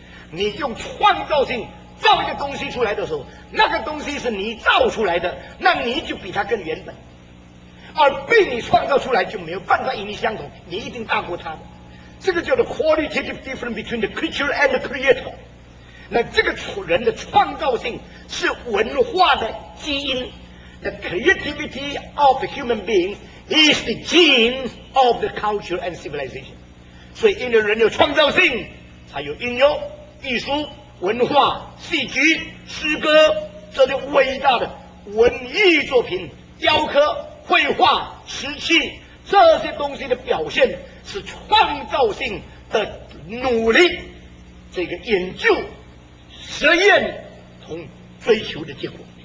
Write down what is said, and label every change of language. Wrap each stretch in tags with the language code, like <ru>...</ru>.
<zh>你用创造性造一个东西出来的时候，那个东西是你造出来的，那你就比它更原本，而被你创造出来就没有办法与你相同，你一定大过它的。这个叫做</zh> <en>qualitative difference between the creature and the creator。</en> <zh>那这个人的创造性是文化的基因。</zh> <en>The creativity of the human being is the gene of the culture and civilization。</en> <zh>所以因为人有创造性，才有音乐、艺术、文化、戏剧、诗歌，这些伟大的文艺作品、雕刻、绘画、瓷器，这些东西的表现是创造性的努力，这个研究、实验同追求的结果。</zh>